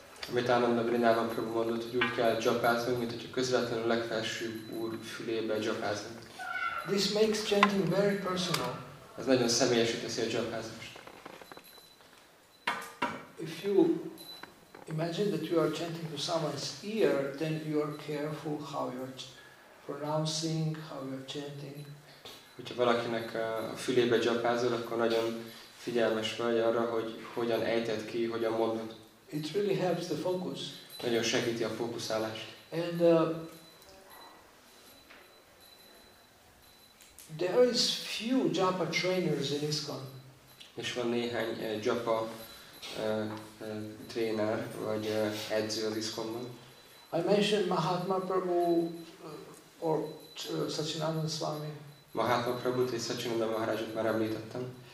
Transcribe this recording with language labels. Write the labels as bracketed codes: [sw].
[hu] Amit Ananda Vrindavan Prabhu mondott, hogy úgy kell japázni, mint hogyha közvetlenül a legfelsőbb úr fülébe japázni. [en] This makes chanting very personal. [hu] Ez nagyon személyesé teszi a japázást. [en] If you imagine that you are chanting to someone's ear, then you are careful how you are pronouncing, how you are chanting. [hu] Hogyha valakinek a fülébe japázol, akkor nagyon figyelmes vagy arra, hogy hogyan ejted ki, hogyan mondod. [en] It really helps the focus. [hu] Nagyon segíti a fókuszálást. [en] And there is few japa trainers in ISKCON. [hu] És van néhány japa tréner vagy edző az ISKCON-ban. [en] I mentioned Mahatma Prabhu or Satchinandan Swami. [hu] Mahatma Prabhu és Satchinandan Maharajot már említettem.